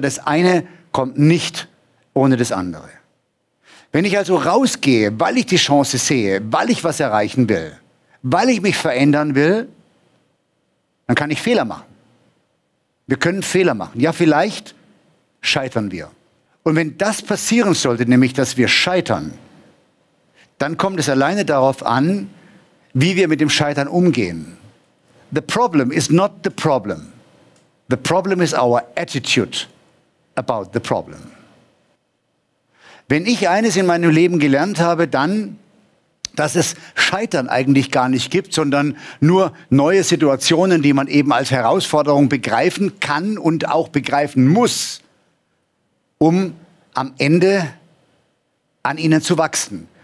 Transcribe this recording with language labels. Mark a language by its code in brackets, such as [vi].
[de] Das eine kommt nicht ohne das andere. Wenn ich also rausgehe, weil ich die Chance sehe, weil ich was erreichen will, weil ich mich verändern will, dann kann ich Fehler machen. Wir können Fehler machen. Ja, vielleicht scheitern wir. Und wenn das passieren sollte, nämlich dass wir scheitern, dann kommt es alleine darauf an, wie wir mit dem Scheitern umgehen. [en] The problem is not the problem. The problem is our attitude about the problem. [de] Wenn ich eines in meinem Leben gelernt habe, dann dass es Scheitern eigentlich gar nicht gibt, sondern nur neue Situationen, die man eben als Herausforderung begreifen kann und auch begreifen muss, um am Ende an ihnen zu wachsen.